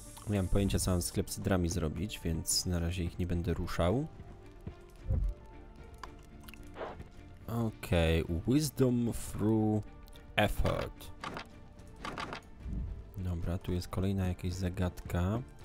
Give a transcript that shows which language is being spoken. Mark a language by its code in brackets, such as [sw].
[pl] Nie mam pojęcia, co mam sklep z cydrami zrobić, więc na razie ich nie będę ruszał. [en] Okej, okay, wisdom through effort. [pl] Dobra, tu jest kolejna jakaś zagadka.